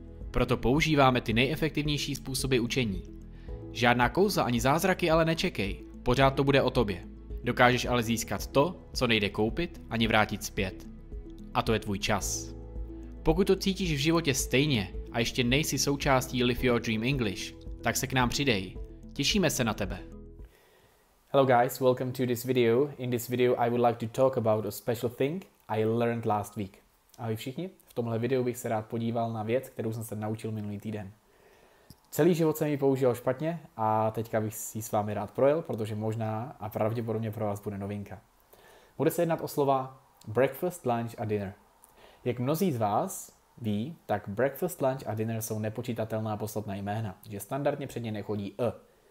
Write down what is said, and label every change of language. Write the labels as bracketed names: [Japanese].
[Czech] Proto používáme ty nejefektivnější způsoby učení. Žádná kouzla ani zázraky ale nečekej, pořád to bude o tobě. Dokážeš ale získat to, co nejde koupit ani vrátit zpět. A to je tvůj čas. Pokud to cítíš v životě stejně a ještě nejsi součástí Live Your Dream English, tak se k nám přidej. Těšíme se na tebe. [English] Hello guys, welcome to this video. In this video I would like to talk about a special thing I learned last week. [Czech] Ahoj všichni, v tomhle videu bych se rád podíval na věc, kterou jsem se naučil minulý týden. Celý život jsem ji použil špatně a teďka bych si s vámi rád projel, protože možná a pravděpodobně pro vás bude novinka. Bude se jednat o slova breakfast, lunch a dinner. Jak mnozí z vás ví, tak breakfast, lunch a dinner jsou nepočítatelná posledná jména, že standardně před ně nechodí a.